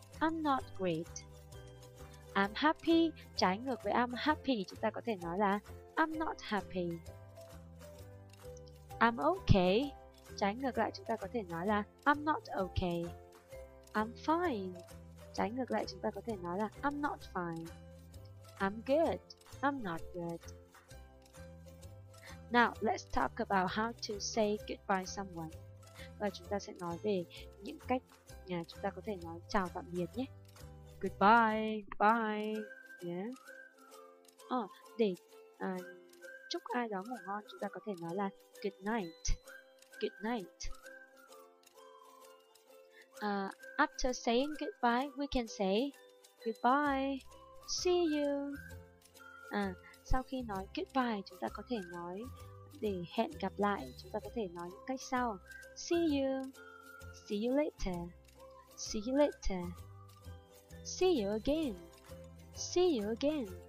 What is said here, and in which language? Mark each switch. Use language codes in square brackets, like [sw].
[en] I'm not great. I'm happy, [vi] trái ngược với [en] I'm happy, [vi] chúng ta có thể nói là [en] I'm not happy. I'm okay, [vi] trái ngược lại chúng ta có thể nói là [en] I'm not okay. I'm fine, [vi] trái ngược lại chúng ta có thể nói là [en] I'm not fine. I'm good, I'm not good. Now, let's talk about how to say goodbye to someone. [vi] Và chúng ta sẽ nói về những cách chúng ta có thể nói chào tạm biệt nhé. [en] Goodbye, bye, yeah. [vi] Chúc ai đó ngủ ngon, chúng ta có thể nói là [en] good night, good night. After saying goodbye, we can say goodbye, see you. [vi] Sau khi nói goodbye, chúng ta có thể nói để hẹn gặp lại, chúng ta có thể nói những cách sau: [en] see you later, see you later. See you again, see you again.